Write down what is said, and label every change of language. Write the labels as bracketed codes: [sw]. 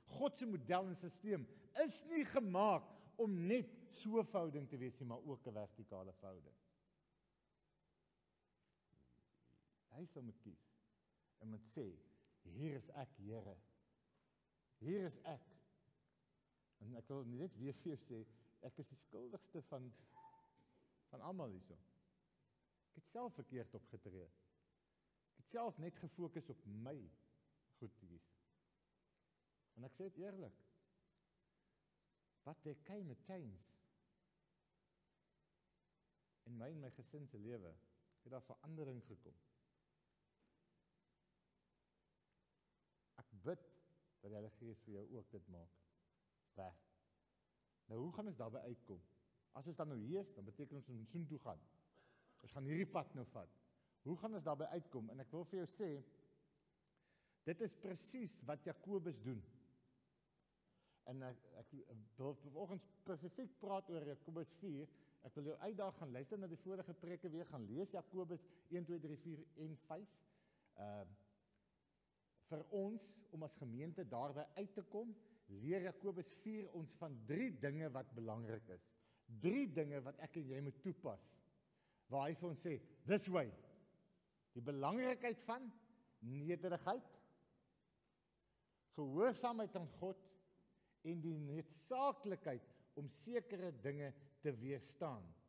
[af] God se model en systeem is nie gemaak om net so 'n verhouding te wees nie, maar ook 'n vertikale verhouding. Hy sal moet kies en moet sê, hier is ek, Here. Hier is ek. En ek wil net weer vir jou sê, ek is die skuldigste van allemaal hierso. Ek het self verkeerd opgetree. Ek het self net gefokus op my goed hier. En ek sê dit eerlik. [en] But there came a change. [af] In my en my gesin se lewe het daar verandering gekom. Ek bid dat die Heilige Gees vir jou ook dit maak. Weg. Nou, hoe gaan ons daarby uitkom? As ons dan nou hier is, dan beteken ons ons soen toe gaan. Ons gaan hierdie pad nou vat. Hoe gaan ons daarby uitkom? En ek wil vir jou sê, dit is precies wat Jakobus doen. En ek wil vervolgens specifiek praat oor Jakobus 4. Ek wil jou uitdaag gaan luister na die vorige preke weer, gaan lees Jakobus 1, 2, 3, 4 en 5. Vir ons, om as gemeente daarby uit te kom, leer Jakobus 4 ons van drie dinge wat belangrik is. Drie dinge wat ek en jy moet toepas. Waar hy vir ons sê, [en] this way. [af] Die belangrikheid van nederigheid, gehoorsaamheid aan God, en die noodsaaklikheid om sekere dinge te weerstaan.